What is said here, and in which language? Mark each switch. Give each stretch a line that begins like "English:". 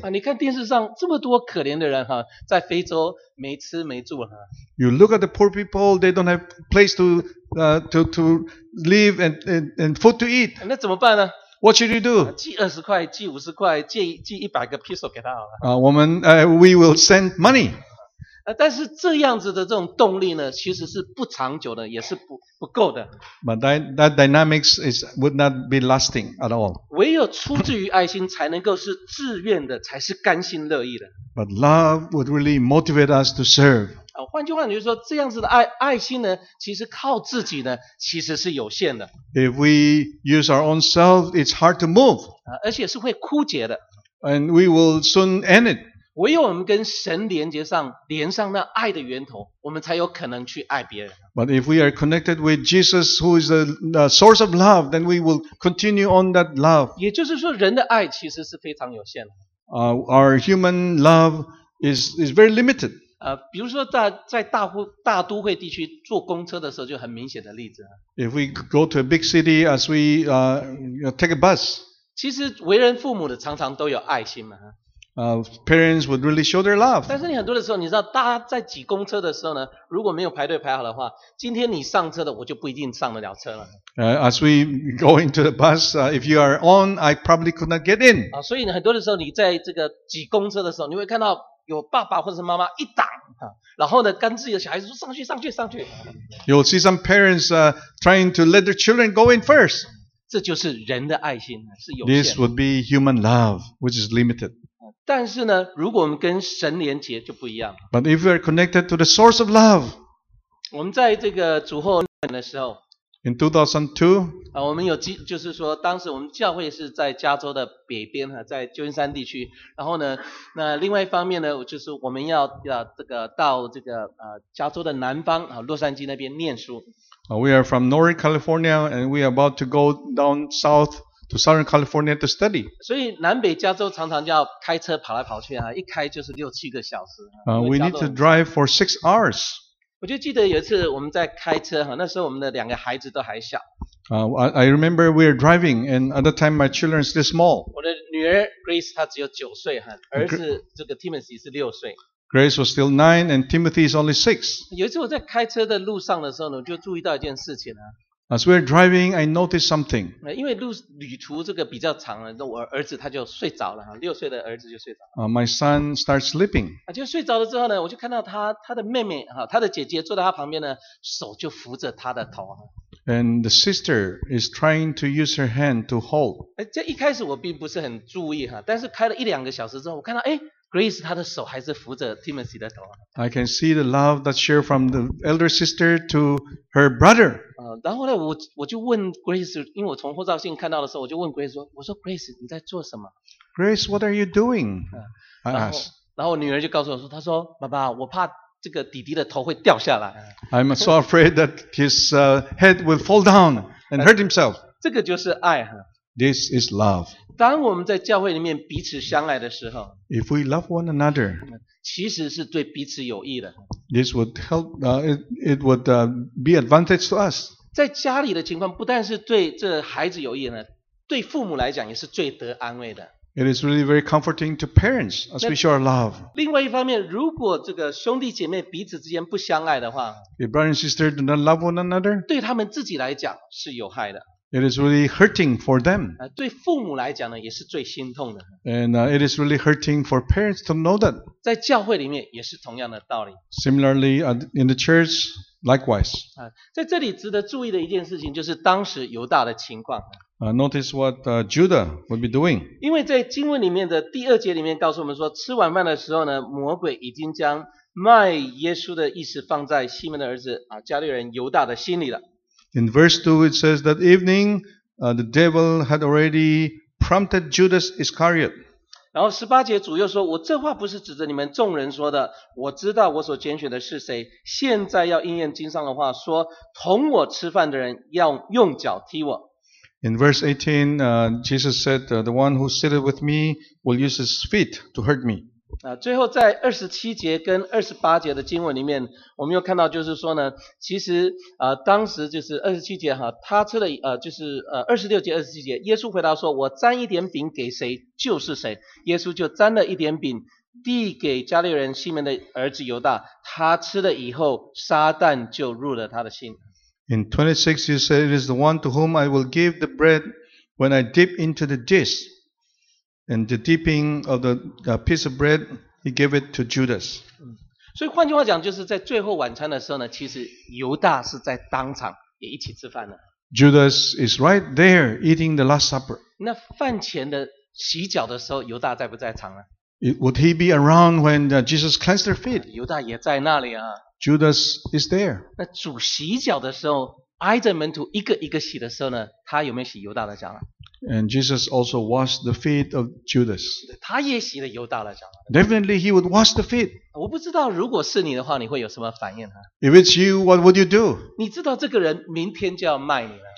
Chinese: 啊，你看电视上这么多可怜的人哈，在非洲没吃没住哈。
English: You look at the poor people; they don't have place to live and food to eat.
Chinese: 那怎么办呢？
English: What should you do?
Chinese: 寄20块，寄50块，寄100个 pistol 给他好了。
English: We will send money.
Chinese: 但是这样子的这种动力呢，其实是不长久的，也是不够的。
English: But that dynamics would not be lasting at all.
Chinese: 唯有出自于爱心，才能够是自愿的，才是甘心乐意的。
English: But love would really motivate us to serve.
Chinese: 换句话就是说，这样子的爱心呢，其实靠自己呢，其实是有限的。
English: If we use our own self, it's hard to move.
Chinese: 而且是会枯竭的。
English: And we will soon end it.
Chinese: 唯有我们跟神连接上，连上那爱的源头，我们才有可能去爱别人。
English: But if we are connected with Jesus, who is the source of love, then we will continue on that love.
Chinese: 也就是说，人的爱其实是非常有限的。
English: Our human love is very limited.
Chinese: 比如说在大都会地区坐公车的时候，就很明显的例子。
English: If we go to a big city as we take a bus.
Chinese: 其实为人父母的常常都有爱心嘛。
English: Parents would really show their love.
Chinese: 但是你很多的时候，你知道大家在挤公车的时候呢，如果没有排队排好的话，今天你上车的我就不一定上得了车了。
English: As we go into the bus, if you are on, I probably could not get in.
Chinese: 所以很多的时候你在这个挤公车的时候，你会看到有爸爸或者是妈妈一挡，然后呢跟自己的小孩子说上去上去上去。
English: You'll see some parents trying to let their children go in first.
Chinese: 这就是人的爱心是有限的。
English: This would be human love, which is limited.
Chinese: 但是呢，如果我们跟神连结就不一样。
English: But if we are connected to the source of love，
Chinese: 我们在这个主后年的时候
English: ，In 2002，
Chinese: 我们有就是说，当时我们教会是在加州的北边哈，在旧金山地区。然后呢，那另外一方面呢，就是我们要这个到这个加州的南方啊，洛杉矶那边念书。
English: We are from Northern California and we are about to go down south. To Southern California to study.
Chinese: 所以南北加州常常就要开车跑来跑去啊，一开就是六七个小时。
English: We need to drive for 6 hours.
Chinese: 我就记得有一次我们在开车哈，那时候我们的两个孩子都还小。
English: I remember we were driving, and at the time my children are still small.
Chinese: 我的女儿 Grace 她只有九岁哈，儿子这个 Timothy 是六岁。
English: Grace was still 9, and Timothy is only 6.
Chinese: 有一次我在开车的路上的时候呢，我就注意到一件事情啊。
English: As we're driving, I noticed something.
Chinese: 因为旅途这个比较长了，那我儿子他就睡着了，六岁的儿子就睡着了。
English: My son starts sleeping.
Chinese: 就睡着了之后呢，我就看到他的妹妹哈，他的姐姐坐在他旁边呢，手就扶着他的头。
English: And the sister is trying to use her hand to hold.
Chinese: 这一开始我并不是很注意哈，但是开了一两个小时之后，我看到Grace 她的手还是扶着 Timothy 的头。
English: I can see the love that shared from the elder sister to her brother.
Chinese: 然后呢，我就问 Grace， 因为我从后照镜看到的时候，我就问 Grace 说：“我说 Grace， 你在做什么
English: ？”Grace， what are you doing？ I asked.
Chinese: 然后女儿就告诉我说：“她说，爸爸，我怕这个弟弟的头会掉下来。
English: ”I'm so afraid that his head will fall down and hurt himself.
Chinese: 这个就是爱哈。
English: This is love.
Chinese: 当我们在教会里面彼此相爱的时候
English: ，If we love one another，
Chinese: 其实是对彼此有益的。
English: This would help. It would be advantage to us.
Chinese: 在家里的情况不但是对这孩子有益呢，对父母来讲也是最得安慰的。
English: It is really very comforting to parents as we show our love.
Chinese: 另外一方面，如果这个兄弟姐妹彼此之间不相爱的话
English: ，If brother and sister do not love one another，
Chinese: 对他们自己来讲是有害的。
English: It is really hurting for them.
Chinese: 对父母来讲呢，也是最心痛的。
English: And it is really hurting for parents to know that.
Chinese: 在教会里面也是同样的道理。
English: Similarly, in the church, likewise.
Chinese: 在这里值得注意的一件事情就是当时犹大的情况。
English: Notice what Judah would be doing.
Chinese: 因为在经文里面的第二节里面告诉我们说，吃晚饭的时候呢，魔鬼已经将卖耶稣的意思放在西门的儿子啊加略人犹大的心里了。
English: In verse 2 it says that evening, the devil had already prompted Judas Iscariot.
Chinese: 然后十八节主又说，我这话不是指着你们众人说的，我知道我所拣选的是谁，现在要应验经上的话，说同我吃饭的人要用脚踢我。
English: In verse 18, Jesus said, the one who sitteth with me will use his feet to hurt me.
Chinese: 最后在27节跟28节的经文里面，我们又看到就是说呢，其实当时就是27节他吃了就是26节27节，耶稣回答说，我沾一点饼给谁就是谁，耶稣就沾了一点饼递给加利人西门的儿子犹大，他吃了以后撒旦就入了他的心。
English: In 26, you say, it is the one to whom I will give the bread when I dip into the dish. And the dipping of the piece of bread, he gave it to Judas.
Chinese: 所以换句话讲，就是在最后晚餐的时候呢，其实犹大是在当场也一起吃饭的。
English: Judas is right there eating the Last Supper.
Chinese: 那饭前的洗脚的时候，犹大在不在场呢？
English: Would he be around when Jesus cleansed their feet?
Chinese: 犹大也在那里啊。
English: Judas is there.
Chinese: 那主洗脚的时候，挨着门徒一个一个洗的时候呢，他有没有洗犹大的脚啊？
English: And Jesus also washed the feet of Judas.
Chinese: 他也洗了犹大的脚。
English: Definitely he would wash the feet.
Chinese: 我不知道如果是你的话，你会有什么反应啊？
English: If it's you, what would you do?
Chinese: 你知道这个人明天就要卖你了。